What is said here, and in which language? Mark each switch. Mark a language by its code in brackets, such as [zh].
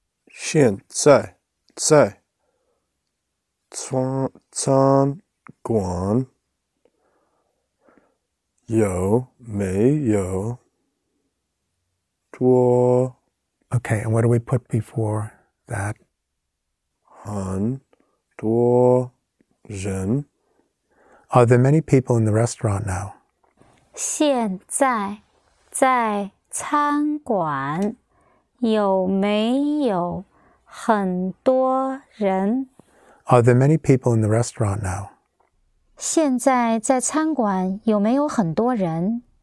[zh] 现在在餐馆有没有多 [en] Okay, and what do we put before that? [zh] 很多人 [en] Are there many people in the restaurant now? [zh] 现在在餐馆有没有很多人? [en] Are there many people in the restaurant now? [zh] 现在在餐馆有没有很多人?